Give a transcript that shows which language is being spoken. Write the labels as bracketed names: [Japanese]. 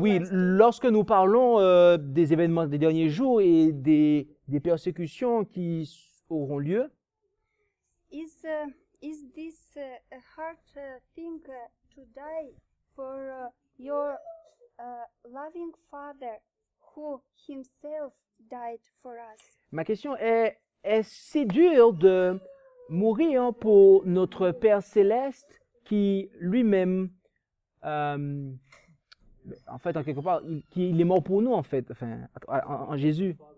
[French] Lorsque nous parlons des événements des derniers jours et des persécutions qui auront lieu. [English] Is this a hard thing to die for your loving father who himself died for us? [French] Ma question est si dur de mourir pour notre Père céleste qui lui-même en fait, en quelque part, il est mort pour nous, en fait, enfin, en Jésus.